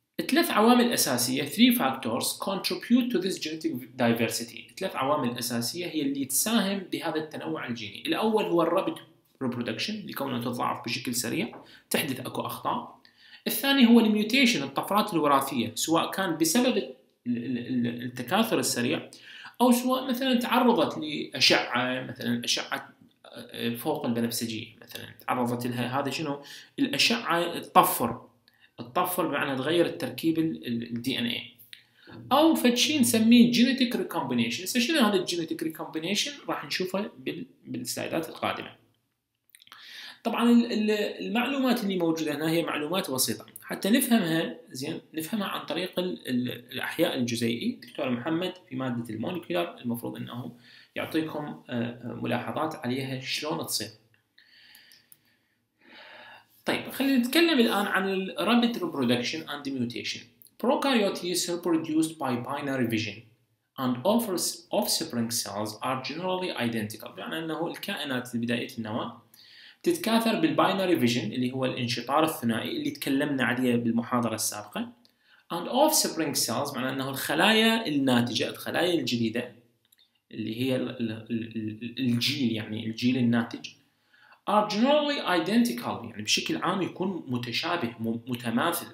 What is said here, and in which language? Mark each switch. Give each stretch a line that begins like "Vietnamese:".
Arabic: ثلاث عوامل اساسيه،
English: 3 factors contribute to this genetic diversity.
Arabic: ثلاث عوامل اساسيه هي اللي تساهم بهذا التنوع الجيني. الاول هو الربد reproduction، لكونه تضاعف بشكل سريع تحدث اكو اخطاء. الثاني هو الميوتيشن، الطفرات الوراثيه، سواء كان بسبب التكاثر السريع أو سواء مثلاً تعرضت لأشعة، مثلاً أشعة فوق البنفسجية، مثلاً تعرضت لها، هذا شنو؟ الأشعة تطفر بمعنى تغير التركيب الـ DNA، أو فتشي نسميه genetic recombination. شنو هذا genetic recombination؟ راح نشوفه بالسلايدات القادمة. طبعاً المعلومات اللي موجودة هنا هي معلومات بسيطة، حتى نفهمها زين نفهمها عن طريق الأحياء الجزيئي. دكتور محمد في مادة المولكيولر المفروض أنه يعطيكم ملاحظات عليها شلون تصير. طيب، خلينا نتكلم الآن عن الـ
English: Rapid Reproduction and Mutation. Prokaryotes are produced by binary vision and offspring cells are generally identical.
Arabic: بمعنى أنه الكائنات في بداية النواة تتكاثر بالباينري فيجن اللي هو الانشطار الثنائي اللي تكلمنا عليه بالمحاضرة السابقة.
English: And offspring cells
Arabic: معنى أنه الخلايا الناتجة، الخلايا الجديدة اللي هي الجيل، يعني الجيل الناتج،
English: are generally identical،
Arabic: يعني بشكل عام يكون متشابه متماثل.